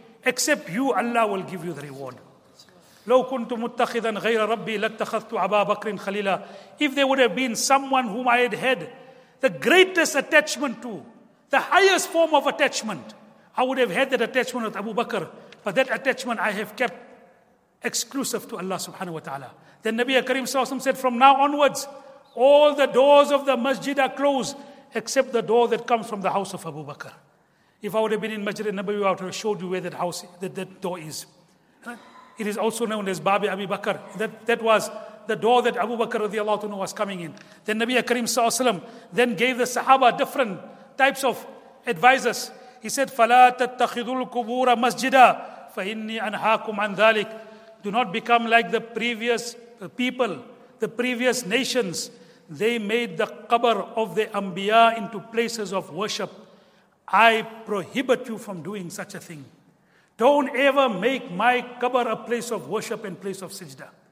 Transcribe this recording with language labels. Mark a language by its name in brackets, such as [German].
[English] Except you, Allah will give you the reward. [Arabic] لو كنت متخذا غير ربي لاتخذت أبا بكر خليلا." [English] If there would have been someone whom I had had the greatest attachment to, the highest form of attachment, I would have had that attachment with Abu Bakr, but that attachment I have kept exclusive to Allah subhanahu wa ta'ala. Then Nabi Karim Sallallahu Alaihi Wasallam said, "From now onwards, all the doors of the masjid are closed except the door that comes from the house of Abu Bakr." If I would have been in Masjid Nabawi, I would have showed you where that house, that door is. It is also known as Babi Abi Bakr. That was the door that Abu Bakr radiallahu anhu was coming in. Then Nabi Kareem sallallahu alayhi wa sallam then gave the Sahaba different types of advisors. He said, [Arabic] فَلَا تَتَّخِذُوا الْكُبُورَ مَسْجِدًا فَإِنِّي أَنْهَاكُمْ عَنْ ذَلِكَ. [English] Do not become like the previous people, the previous nations. They made the qabr of the Anbiya into places of worship. I prohibit you from doing such a thing. Don't ever make my qabr a place of worship and place of sijda.